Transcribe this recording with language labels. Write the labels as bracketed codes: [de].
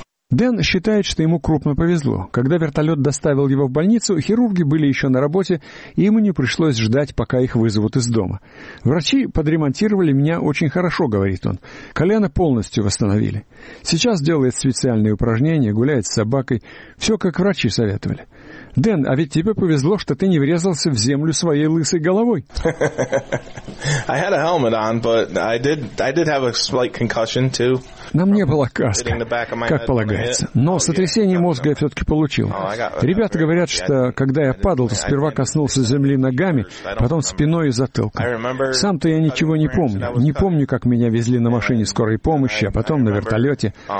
[ru] Дэн считает, что ему крупно повезло. Когда вертолет доставил его в больницу, хирурги были еще на работе, и ему не пришлось ждать, пока их вызовут из дома. «Врачи подремонтировали меня очень хорошо», — говорит он. «Колено полностью восстановили. Сейчас делает специальные упражнения, гуляет с собакой. Все, как врачи советовали». Дэн, а ведь тебе повезло, что ты не врезался в землю своей лысой головой. [en] I had a helmet on, but I did have a slight concussion too. [ru] На мне была каска, как полагается. Но сотрясение мозга я все-таки получил. Ребята говорят, что когда я падал, то сперва коснулся земли ногами, потом спиной и затылком. Сам-то я ничего не помню. Не помню, как меня везли на машине скорой помощи, а потом на вертолете.